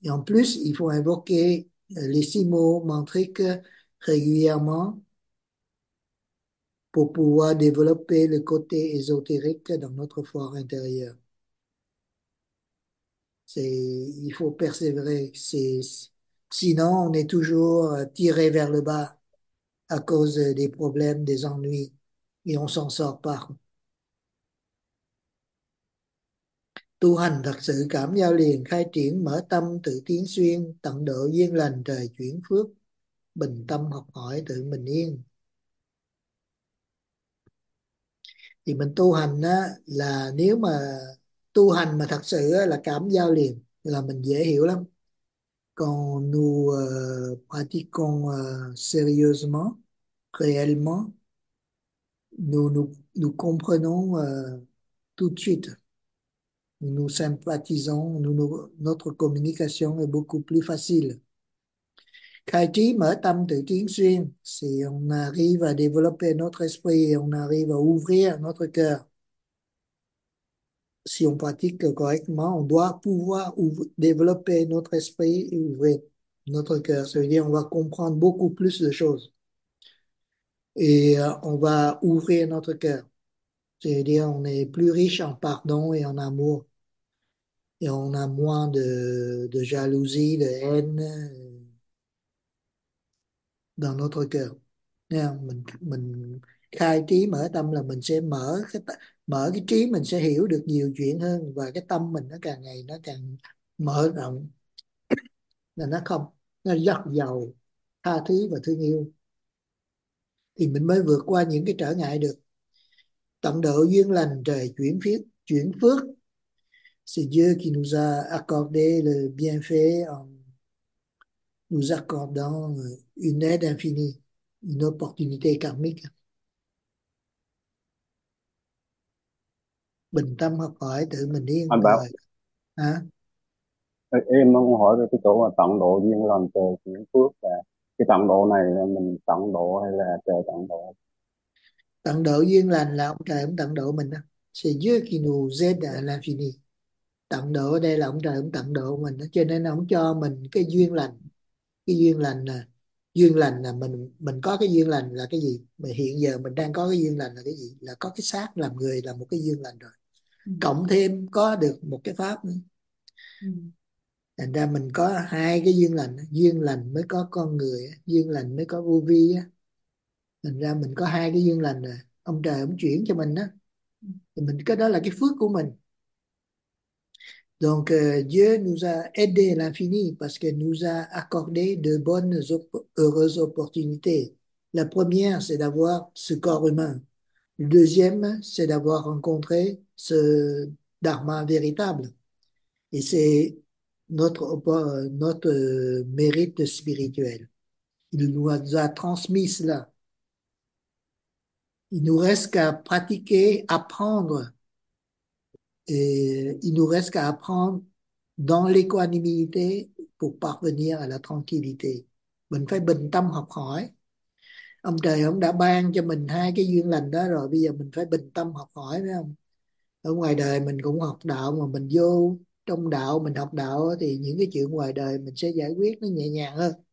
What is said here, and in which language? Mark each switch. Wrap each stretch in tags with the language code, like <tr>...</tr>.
<fr>Et en plus, il faut invoquer les six mots mantriques régulièrement pour pouvoir développer le côté ésotérique dans notre fort intérieur. Il faut persévérer. Sinon, on est toujours tiré vers le bas à cause des problèmes, des ennuis, et on s'en sort pas.</fr> <vi>Tu hành thật sự cảm giao liền, khai triển mở tâm tự tiến xuyên, tận độ duyên lành trời chuyển phước. bình tâm học hỏi tự mình yên. Thì mình tu hành á, là nếu mà tu hành mà thật sự á, là cảm giao liền là mình dễ hiểu lắm.</vi> <fr>Còn nous pratiquons sérieusement, réellement, nous comprenons tout de suite. Nous sympathisons, notre communication est beaucoup plus facile.</fr> <vi>Khai trí mở tâm tự tiến xuyên,</vi> <fr>si on arrive à développer notre esprit, on arrive à ouvrir notre cœur. Si on pratique correctement, on doit pouvoir développer notre esprit et ouvrir notre cœur. Ça veut dire qu'on va comprendre beaucoup plus de choses. Et on va ouvrir notre cœur. C'est-à-dire qu'on est plus riche en pardon et en amour. Et on a moins de jalousie, de haine dans notre cœur.</fr> <vi>Mình khai trí mở tâm là mình sẽ mở cái trí, mình sẽ hiểu được nhiều chuyện hơn, và cái tâm mình nó càng ngày nó càng mở rộng, là nó không nó dắt dầu tha thứ và thương yêu, thì mình mới vượt qua những cái trở ngại được. Tận độ duyên lành trời chuyển phước, chuyển phước.</vi> <fr>C'est Dieu qui nous a accordé le bienfait en nous accordant une aide infinie, une opportunité karmique.</fr> <vi>Bình tâm học hỏi tự mình yên Anh bảo rồi hả? em muốn hỏi về cái chỗ là tận độ duyên lành trời chuyển phước, là cái tận độ này là mình tận độ hay là trời tận độ? Tận độ duyên lành là ông trời ông tận độ mình đó. C'est Dieu qui nous aide à l'infini. Tận độ ở đây là ông trời ông tận độ mình đó. Cho nên ông cho mình cái duyên lành. Cái duyên lành nè. Duyên lành là mình có cái duyên lành là cái gì? Mà hiện giờ mình đang có cái duyên lành là cái gì? Là có cái xác làm người là một cái duyên lành rồi. Cộng thêm có được một cái pháp nữa. Thành ra mình có hai cái duyên lành. Duyên lành mới có con người. Duyên lành mới có vô vi. Thành ra mình có hai cái duyên lành nè. Ông trời ông chuyển cho mình đó. Thì mình cái đó là cái phước của mình.</vi> <fr>Donc, Dieu nous a aidé l'infini parce qu'il nous a accordé de bonnes, heureuses opportunités. La première, c'est d'avoir ce corps humain. Le deuxième, c'est d'avoir rencontré ce dharma véritable. Et c'est notre mérite spirituel. Il nous a transmis cela. Il nous reste qu'à pratiquer, apprendre. Et il nous reste qu'à apprendre dans l'équanimité pour parvenir à la tranquillité.</fr> <vi>Mình phải bình tâm học hỏi. Ông trời ông đã ban cho mình hai cái duyên lành đó rồi, bây giờ mình phải bình tâm học hỏi, phải không? Ở ngoài đời mình cũng học đạo, mà mình vô trong đạo, mình học đạo thì những cái chuyện ngoài đời mình sẽ giải quyết nó nhẹ nhàng hơn.</vi>